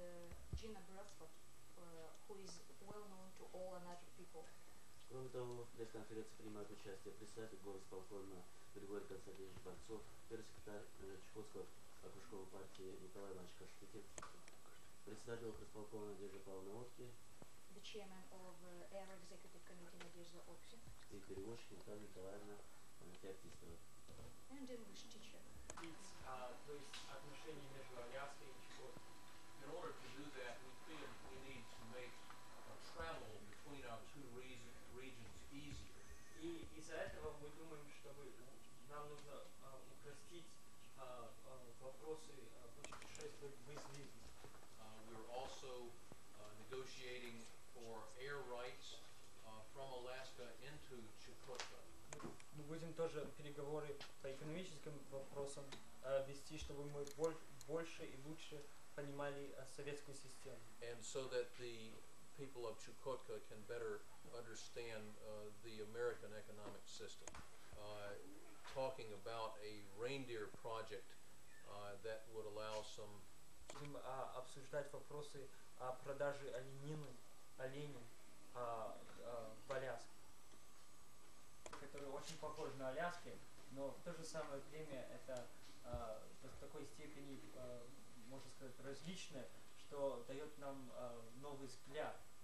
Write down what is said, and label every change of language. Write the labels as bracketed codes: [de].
[en] who is well known to all Anadyr people. [ru] Кроме того, пресс-конференции принимают участие председатель горосполкома Григорий Константинович Борцов, пресс-секретарь Чукотского окружковой партии Николай Иванович Каштыкин, председатель горосполкома Надежда Павловна Отки, [en] the chairman of the Air Executive Committee Надежда Отки, [ru] и переводчик Наталья Николаевна Феоктистова. [en] And English teacher. It's, [ru] то есть отношения между Аляской и Чукоткой. [en] In order to do that, we feel we need to make travel between our two regions easier. [ru] И из-за этого мы думаем, что нам нужно упростить вопросы путешествий без визы. [en] We're also negotiating for air rights from Alaska into Chukotka. [ru] Мы будем тоже переговоры по экономическим вопросам вести, чтобы мы больше и лучше понимали советскую систему. [en] And so that the people of Chukotka can better understand the American economic system. Talking about a reindeer project that would allow some... [ru] Будем обсуждать вопросы о продаже оленины, оленей в Аляске, которые очень похожи на Аляске, но в то же самое время это в такой степени, можно сказать, различное, что дает нам новый взгляд.